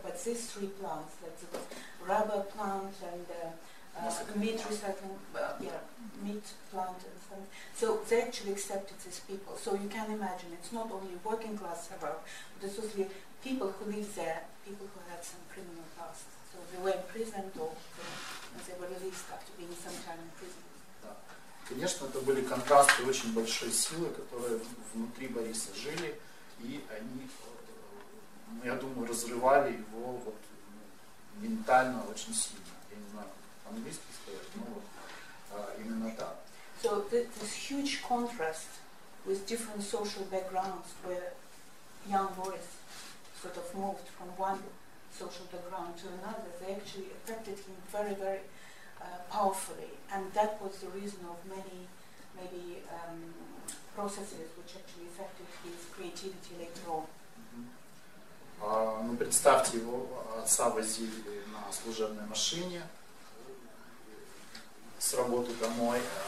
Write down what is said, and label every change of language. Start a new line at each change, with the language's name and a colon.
English: But these three plants, like the rubber plant and meat recycling, meat plant and stuff. So they actually accepted these people. So you can imagine, it's not only working class suburb, but it's also people who live there, people who had some criminal past. So they were imprisoned or they were released after being some time in prison.
Russian: Да. Конечно, это были контрасты очень большой силы, которые внутри Бориса жили, и они, я думаю, разрывали его вот ментально очень сильно. Я не знаю, английский сказать, но вот именно так.
English: So this huge contrast with different social backgrounds where young Boris sort of moved from one social background to another, they actually affected him very, very powerfully. And that was the reason of many, maybe, processes which actually affected his creativity later on.
Russian: Ну, представьте, его отца возили на служебной машине с работы домой.